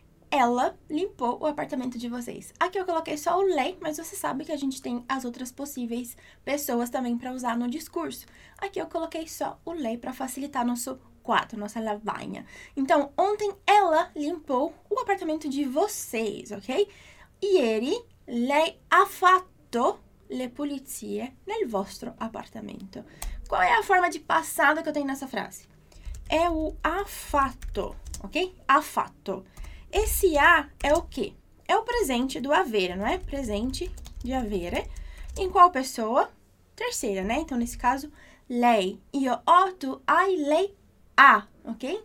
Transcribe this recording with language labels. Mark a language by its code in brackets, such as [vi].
[pt] Ela limpou o apartamento de vocês. Aqui eu coloquei só o lei, mas você sabe que a gente tem as outras possíveis pessoas também para usar no discurso. Aqui eu coloquei só o lei para facilitar nosso quarto, nossa lavanha. Então, ontem ela limpou o apartamento de vocês, ok? [it] Ieri lei ha fatto le pulizie nel vostro appartamento. [pt] Qual é a forma di passato che eu tenho nessa frase? È o ha fatto, ok? Ha fatto. Esse ha é o quê? É o presente do avere, não é? Presente de avere. Em qual pessoa? Terceira, né? Então, nesse caso, lei. [it] Io ho, tu hai, lei ha, [pt] ok?